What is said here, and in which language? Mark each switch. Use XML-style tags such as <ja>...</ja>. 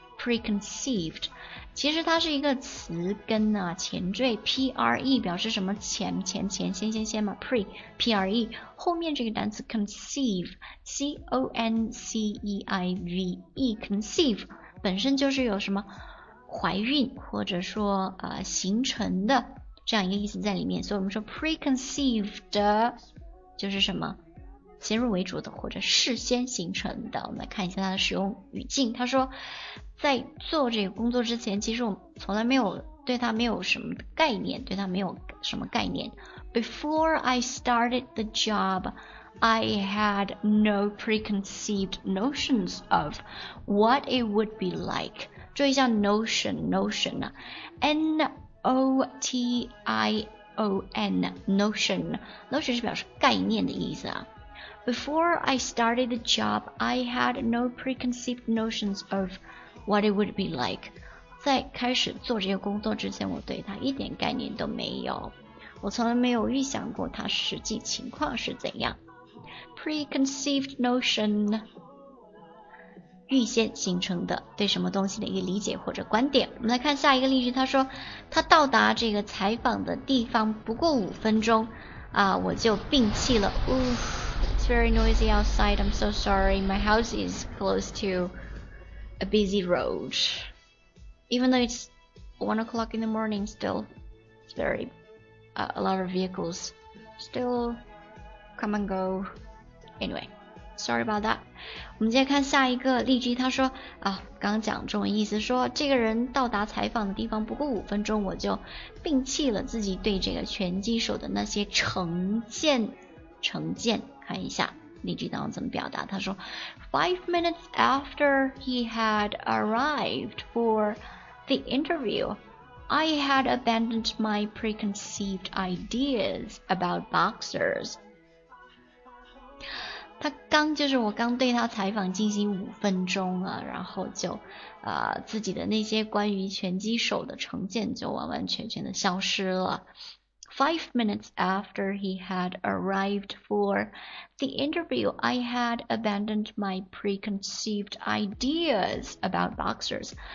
<zh>preconceived， 其实它是一个词根啊，前缀 pre 表示什么前先先先嘛 ，pre pre 后面这个单词 conceive c o n c e i v e conceive 本身就是有什么怀孕或者说形成的这样一个意思在里面，所以我们说 preconceived 就是什么先入为主的或者事先形成的。我们来看一下它的使用语境，它说。在做这个工作之前，其实我从来没有对它没有什么概念，对它没有什么概念。</zh> <en>Before I started the job, I had no preconceived notions of what it would be like.</en> <zh>注意一下 notion 啊 ，N-O-T-I-O-N notion 是表示概念的意思啊。</zh> <en>Before I started the job, I had no preconceived notions of what it would be like.</en> <zh>在开始做这个工作之前，我对它一点概念都没有，我从来没有预想过它实际情况是怎样。</zh> <en>Preconceived notion，</en> <zh>预先形成的对什么东西的一个理解或者观点。我们来看下一个例句，他说他到达这个采访的地方不过五分钟啊，我就摒弃了。</zh> <en>Oof, it's very noisy outside. I'm so sorry. My house is close to a busy road. Even though it's 1 o'clock in the morning, still it's very a lot of vehicles still come and go. Anyway, sorry about that.</en> <zh>我们接着看下一个例句，他说啊，刚讲中文意思说这个人到达采访的地方不过五分钟，我就摒弃了自己对这个拳击手的那些成见。看一下例句当中怎么表达，他说</zh> <en>5 minutes after he had arrived for the interview, I had abandoned my preconceived ideas about boxers.</en> <zh>他刚就是我刚对他采访进行五分钟啊，然后就自己的那些关于拳击手的成见就完完全全的消失了。</zh> <en>5 minutes after he had arrived for the interview, I had abandoned my preconceived ideas about boxers.</en>